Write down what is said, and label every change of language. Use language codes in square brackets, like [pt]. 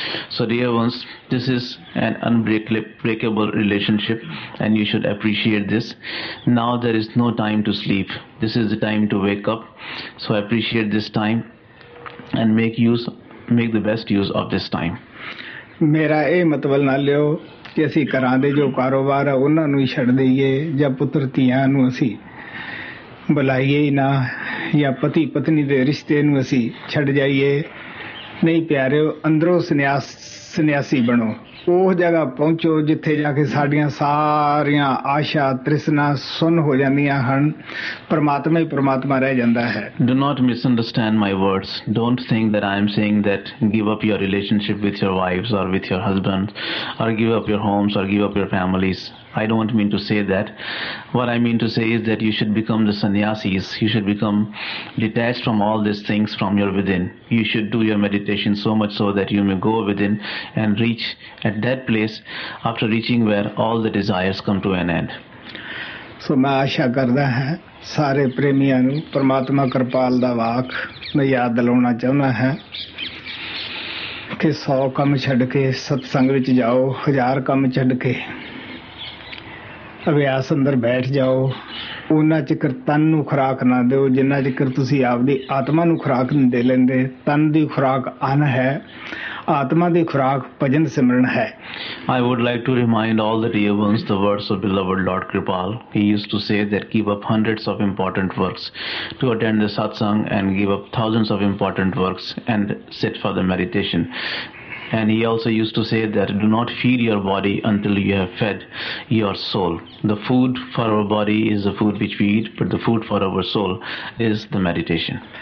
[en] So dear ones, this is an unbreakable relationship, and you should appreciate this. Now there is no time to sleep. This is the time to wake up. So appreciate this time and make the best use of this time. [pa] Mera eh matlab na leo ki assi karande jo karobar hai unna nu hi chhad deiye, ja putr tiyan nu assi ਬੁਲਾਈਏ ਹੀ ਨਾ, ਜਾਂ ਪਤੀ ਪਤਨੀ ਦੇ ਰਿਸ਼ਤੇ ਨੂੰ ਅਸੀਂ ਛੱਡ ਜਾਈਏ। ਨਹੀਂ ਪਿਆਰਿਓ, ਅੰਦਰੋਂ ਸੰਨਿਆਸੀ ਬਣੋ, ਉਹ ਜਗ੍ਹਾ ਪਹੁੰਚੋ ਜਿੱਥੇ ਜਾ ਕੇ ਸਾਡੀਆਂ ਸਾਰੀਆਂ ਆਸ਼ਾ ਤ੍ਰਿਸ਼ਨਾ ਸੁੰਨ ਹੋ ਜਾਂਦੀਆਂ ਹਨ, ਪਰਮਾਤਮਾ ਹੀ ਪਰਮਾਤਮਾ ਰਹਿ ਜਾਂਦਾ ਹੈ। [en] Do not misunderstand my words, don't think that I am saying that give up your relationship with your wives or with your husband or give up your homes or give up your families. I don't mean to say that. What I mean to say is that you should become the sannyasis. You should become detached from all these things from your within. You should do your meditation so much so that you may go within and reach at that place, after reaching where all the desires come to an end. So, I wish all the loved ones, [pa] Paramatma Kripal da vaak, [en] I want to remind you that 100 jobs, go to satsang, 1000 jobs, [pa] ਅਭਿਆਸ ਅੰਦਰ ਬੈਠ ਜਾਓ, ਉਹਨਾਂ ਚਿਕਰ ਤਨ ਨੂੰ ਖੁਰਾਕ ਨਾ ਦਿਓ ਜਿੰਨਾ ਚਿਕਰ ਤੁਸੀਂ ਆਪਦੀ ਆਤਮਾ ਨੂੰ ਖੁਰਾਕ ਨਹੀਂ ਦੇ ਲੈਂਦੇ। ਤਨ ਦੀ ਖੁਰਾਕ ਅੰਨ ਹੈ, ਆਤਮਾ ਦੀ ਖੁਰਾਕ ਭਜਨ ਸਿਮਰਨ ਹੈ। [en] I would like to remind all the dear ones the words of beloved Lord Kirpal. He used to say that give up hundreds of important works to attend the satsang and give up thousands of important works and sit for the meditation. And he also used to say that do not feed your body until you have fed your soul. The food for our body is the food which we eat, but the food for our soul is the meditation.